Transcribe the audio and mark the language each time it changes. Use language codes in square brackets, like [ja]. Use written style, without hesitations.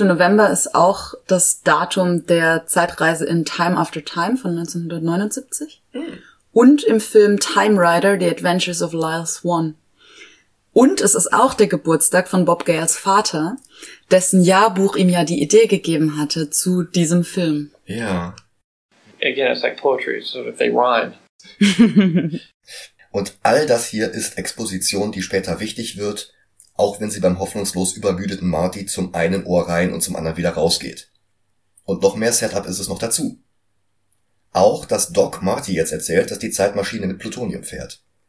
[de] November ist auch das Datum der Zeitreise in Time After Time von 1979. Mhm. Und im Film Time Rider, The Adventures of Lyle Swan. Und es ist auch der Geburtstag von Bob Gales Vater, dessen Jahrbuch ihm ja die Idee gegeben hatte zu diesem Film. Ja. [en] Again, it's like poetry, sort of, they rhyme. [de] Und all das hier ist Exposition, die später wichtig wird, auch wenn sie beim hoffnungslos übermüdeten Marty zum einen Ohr rein und zum anderen wieder rausgeht. Und noch mehr Setup ist es noch dazu. Auch, dass Doc Marty jetzt erzählt, dass die Zeitmaschine mit Plutonium fährt.